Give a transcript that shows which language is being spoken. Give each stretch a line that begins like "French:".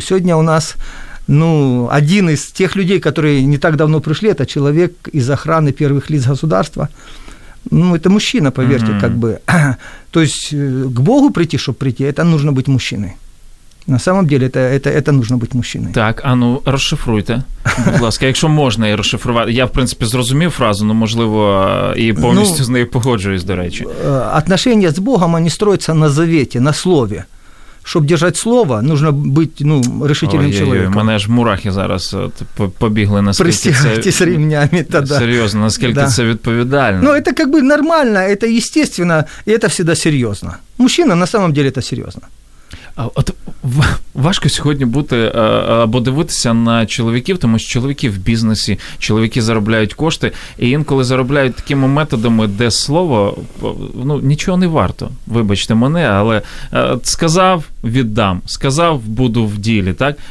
Russian: Сегодня у нас, ну, один из тех людей, которые не так давно пришли, это человек из охраны первых лиц государства. Ну, это мужчина, поверьте, как бы. То есть к Богу прийти, чтобы прийти, это нужно быть мужчиной. На самом деле это нужно быть мужчиной.
Ukrainian: Так, а ну розшифруйте, будь ласка, якщо можна і розшифрувати. Я, в принципі, зрозумів фразу, но, можливо, і повністю з нею погоджуюсь, до речі.
Russian: Отношения с Богом, они строятся на завете, на слове.
Ukrainian: Щоб держати слово,
Russian: нужно
Ukrainian: бути, ну, решительним чоловіком. У мене ж мурахи зараз побігли, наскільки пристігайтесь ремнями тогда. Серйозно, наскільки це відповідально.
Russian: Ну, это как бы нормально, это естественно, и это всегда серьезно. Мужчина на самом деле это серьезно.
Ukrainian: От важко сьогодні бути або дивитися на чоловіків, тому що чоловіки в бізнесі, чоловіки заробляють кошти, і інколи заробляють такими методами, де слово, ну, нічого не варто, вибачте мене, але сказав – віддам, сказав – буду в ділі, так?